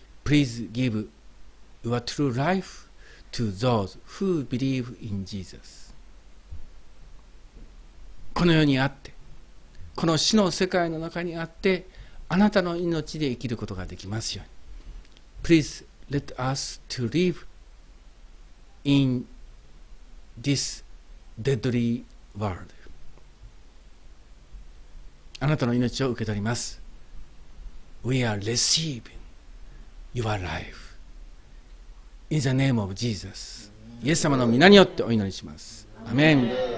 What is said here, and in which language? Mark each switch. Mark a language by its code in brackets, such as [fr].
[en] Please give your true life. To those who believe in Jesus. [ja] この世にあって、この死の世界の中にあって、あなたの命で生きることができますように。 [en] Please let us to live in this deadly world. [ja] あなたの命を受け取ります。 [en] We are receiving your life. In the name of Jesus. [ja] イエス様の御名によってお祈りします。アメン。